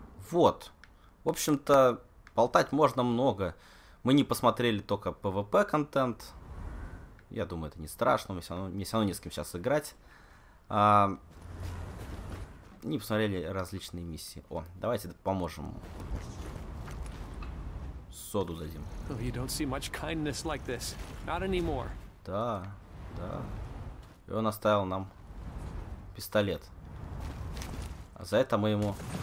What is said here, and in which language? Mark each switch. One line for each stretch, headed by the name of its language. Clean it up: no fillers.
Russian: Вот, в общем-то, болтать можно много, мы не посмотрели только PvP-контент, я думаю, это не страшно, мне все равно не с кем сейчас играть. Не посмотрели различные миссии. О, давайте поможем. Соду дадим.
English: You don't see much kindness like this. Not anymore.
Russian: Да, да. И он оставил нам пистолет. А за это мы ему...